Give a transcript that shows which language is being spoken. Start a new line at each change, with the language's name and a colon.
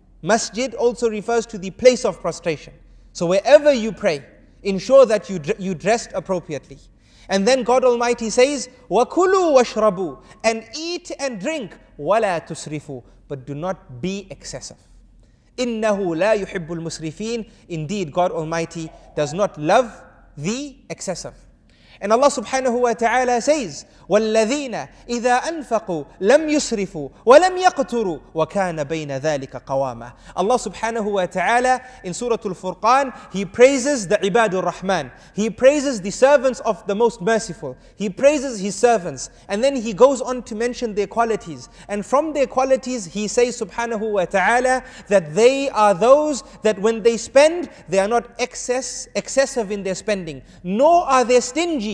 English: Masjid also refers to the place of prostration. So wherever you pray, ensure that you dressed appropriately. And then God Almighty says,
Arabic: وَكُلُوا وَشْرَبُوا,
English: and eat and drink,
Arabic: وَلَا تُسْرِفُوا,
English: but do not be excessive.
Arabic: إِنَّهُ لَا يُحِبُّ الْمُسْرِفِينَ,
English: indeed God Almighty does not love the excessive. And Allah subhanahu wa ta'ala says,
Arabic: وَالَّذِينَ إِذَا أَنْفَقُوا لَمْ يُسْرِفُوا وَلَمْ يَقْتُرُوا وَكَانَ بَيْنَ ذَلِكَ قَوَامًا.
English: Allah subhanahu wa ta'ala in Surah Al-Furqan, He praises the Ibad al-Rahman. He praises the servants of the Most Merciful. He praises His servants. And then He goes on to mention their qualities. And from their qualities, He says subhanahu wa ta'ala that they are those that when they spend, they are not excessive in their spending, nor are they stingy.